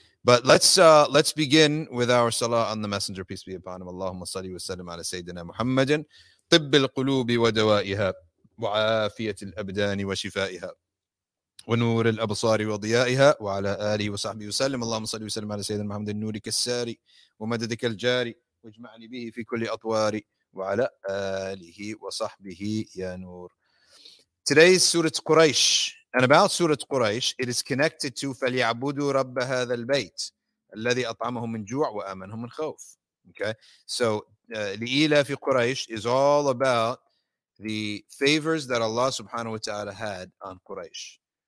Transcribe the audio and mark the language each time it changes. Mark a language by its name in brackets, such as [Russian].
[English] But let's begin with our salah on the messenger, peace be upon him. [Arabic] Allahumma salli wa sallam ala Sayyidina Muhammadin. طب القلوب ودوائها وعافية الأبدان وشفائها ونور الأبصار وضيائها وعلى آله وصحبه وسلم. اللهم صلي وسلم على سيدنا محمد النور كالساري ومددك الجاري واجمعني به في كل أطواري وعلى آله وصحبه يا نور. [English] Today's Surah Quraysh, and about Surah Quraysh, it is connected to [Arabic] فليعبدوا رب هذا البيت الذي أطعمهم من جوع وآمنهم من خوف. [English] Okay, so Li'ila fi Quraysh is all about the favors that Allah subhanahu wa ta'ala had on Quraysh.